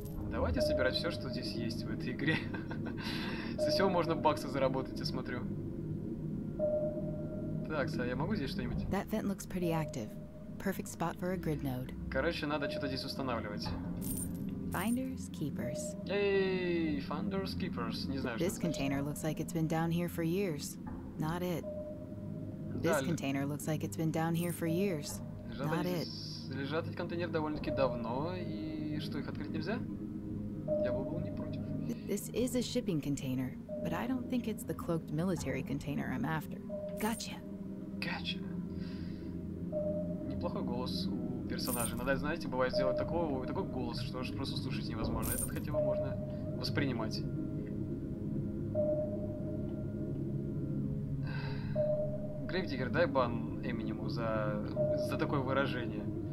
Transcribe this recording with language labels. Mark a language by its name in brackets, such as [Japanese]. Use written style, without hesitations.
[Russian] Давайте собирать все, что здесь есть в этой игре. Со всего можно баксы заработать, я смотрю. Так, а я могу здесь что-нибудь? [English] That vent looks pretty active. Perfect spot for a grid node. [Russian] Короче, надо что-то здесь устанавливать. [English] Finders, keepers. [Russian] Эй, [English] finders, keepers. [Russian] Не знаю, [English] this container looks like it's been down here for years. Not it. This container looks like it's been down here for years. Not it. [Russian] Лежат эти контейнеры довольно-таки давно, и что, их открыть нельзя? Я бы был не против. [English] This is a shipping container, but I don't think it's the cloaked military container I'm after. Gotcha. Gotcha. [Russian] Неплохой голос у персонажа. Иногда, знаете, бывает сделать такого, такой голос, что уж просто слушать невозможно. Этот хотя бы можно воспринимать. Грейвдиггер, дай бан Эминему за такое выражение.